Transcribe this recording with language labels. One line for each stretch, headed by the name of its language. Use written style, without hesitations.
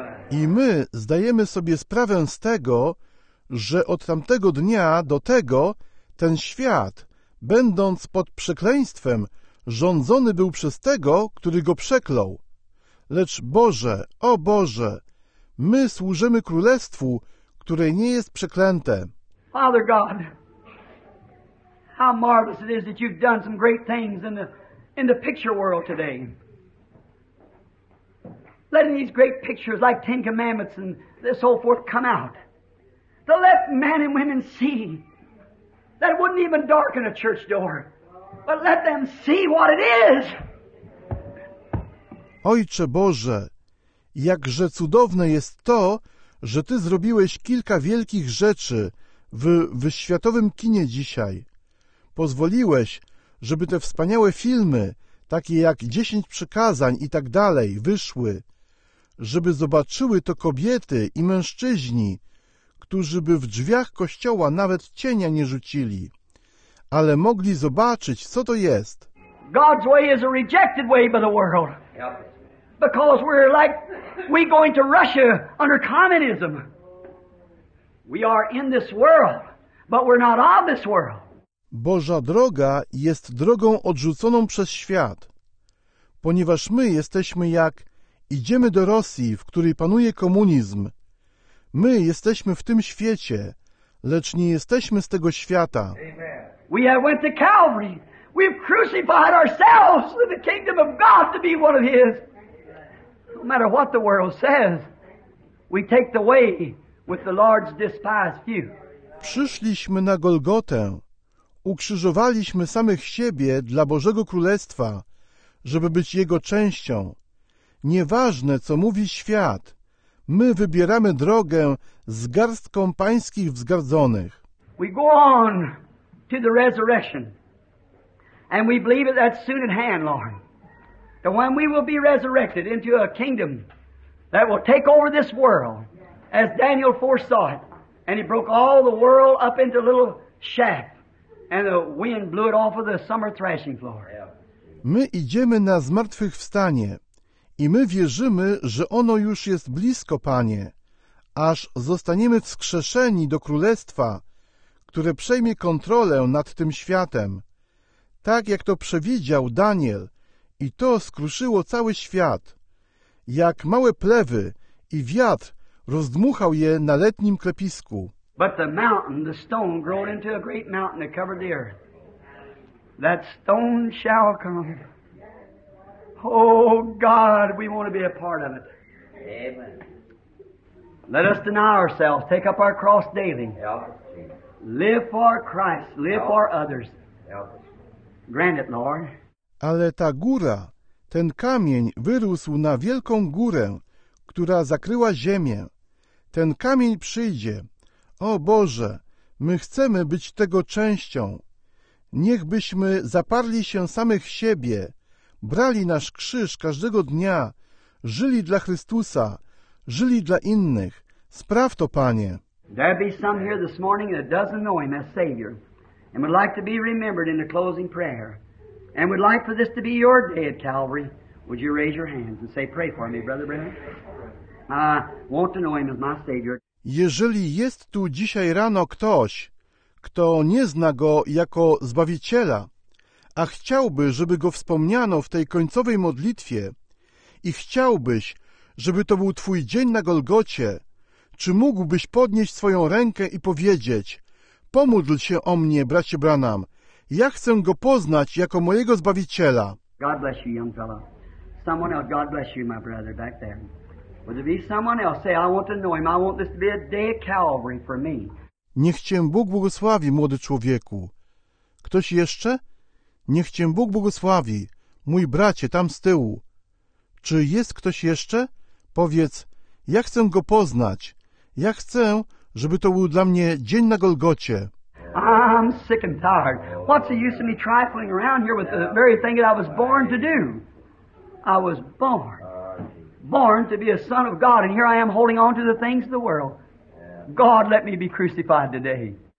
Polish: I my zdajemy sobie sprawę z tego, że od tamtego dnia do tego ten świat, będąc pod przekleństwem, rządzony był przez tego, który go przeklął. Lecz Boże, o Boże, my służymy królestwu, które nie jest przeklęte.
English: Father God, how marvelous it is that you've done some great things in the picture world today. Letting these great pictures like Ten Commandments and this whole forth come out. To let men and women see that wouldn't even darken a church door. But let them see what it is.
Polish: Ojcze Boże, jakże cudowne jest to, że Ty zrobiłeś kilka wielkich rzeczy w światowym kinie dzisiaj. Pozwoliłeś, żeby te wspaniałe filmy, takie jak 10 przykazań i tak dalej, wyszły, żeby zobaczyły to kobiety i mężczyźni, którzy by w drzwiach kościoła nawet cienia nie rzucili, ale mogli zobaczyć, co to jest.
English: God's way is a rejected way by the world. Because we're going to Russia under communism. We are in this world, but we're not of this world.
Polish: Boża droga jest drogą odrzuconą przez świat. Ponieważ my jesteśmy jak idziemy do Rosji, w której panuje komunizm. My jesteśmy w tym świecie, lecz nie jesteśmy z tego świata.
English: Amen. We have went to Calvary. We've crucified ourselves to the kingdom of God to be one of His. No matter what the world says, we take the way with the Lord's despised few.
Polish: Przyszliśmy na Golgotę. Ukrzyżowaliśmy samych siebie dla Bożego Królestwa, żeby być Jego częścią. Nieważne, co mówi świat, my wybieramy drogę z garstką pańskich wzgardzonych.
English: We go on to the resurrection. And we believe that soon at hand, Lord. That when we will be resurrected into a kingdom that will take over this world, as Daniel foresaw it, and he broke all the world up into a little shaft. And the wind blew it off of the summer threshing floor.
Polish: My idziemy na zmartwychwstanie i my wierzymy, że ono już jest blisko, Panie, aż zostaniemy wskrzeszeni do Królestwa, które przejmie kontrolę nad tym światem, tak jak to przewidział Daniel, i to skruszyło cały świat, jak małe plewy i wiatr rozdmuchał je na letnim klepisku.
English: But the mountain, the stone, growed into a great mountain that covered the earth. That stone shall come. Oh, God, we want to be a part of it. Amen. Let us deny ourselves, take up our cross daily. Live for Christ, live for others. Grant it, Lord.
Polish: Ale ta góra, ten kamień wyrósł na wielką górę, która zakryła ziemię. Ten kamień przyjdzie. O Boże, my chcemy być tego częścią. Niechbyśmy zaparli się samych siebie, brali nasz krzyż każdego dnia, żyli dla Chrystusa, żyli dla innych. Spraw to, Panie.
English: There be some here this morning that doesn't know Him as Savior and would like to be remembered in the closing prayer and would like for this to be your day at Calvary. Would you raise your hands and say, pray for me, Brother Brennan? I want to know Him as my Savior.
Polish: Jeżeli jest tu dzisiaj rano ktoś, kto nie zna Go jako Zbawiciela, a chciałby, żeby Go wspomniano w tej końcowej modlitwie i chciałbyś, żeby to był Twój dzień na Golgocie, czy mógłbyś podnieść swoją rękę i powiedzieć: pomódl się o mnie, bracie Branham, ja chcę Go poznać jako mojego Zbawiciela.
English: God bless you, young fellow. Someone else, God bless you, my brother, back there. Would there be someone else? Say, I want to know Him. I want this to be a day of Calvary for me.
Polish: Niech Cię Bóg błogosławi, młody człowieku. Ktoś jeszcze? Niech Cię Bóg błogosławi, mój bracie tam z tyłu. Czy jest ktoś jeszcze? Powiedz, ja chcę Go poznać. Ja chcę, żeby to był dla mnie dzień na Golgocie.
English: I'm sick and tired. What's the use of me trifling around here with the very thing that I was born to do? I was born to be a son of God, and here I am holding on to the things of the world. God, let me be crucified today.